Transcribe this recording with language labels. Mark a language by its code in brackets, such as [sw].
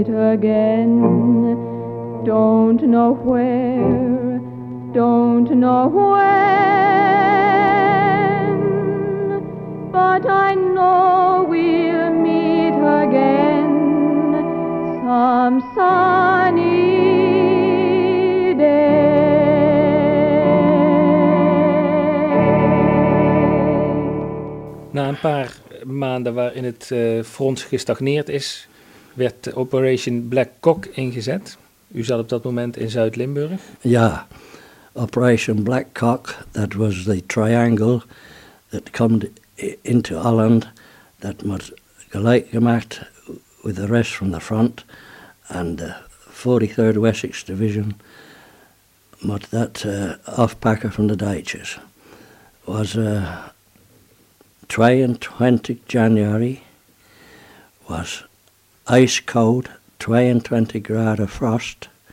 [en] again. Don't know where, don't know when, but I know we'll meet again some sunny day. [nl] Na een paar maanden waarin het front gestagneerd is, werd Operation Black Cock ingezet. U zat op dat moment in Zuid-Limburg? [en] Ja, Operation Black Cock, that was the triangle that came into Holland, that was gelijkgemaakt with the rest from the front, and the 43rd Wessex Division, but that afpakken from the Duitsers, was 22 January, was ice cold, [nl] 22 graden frost.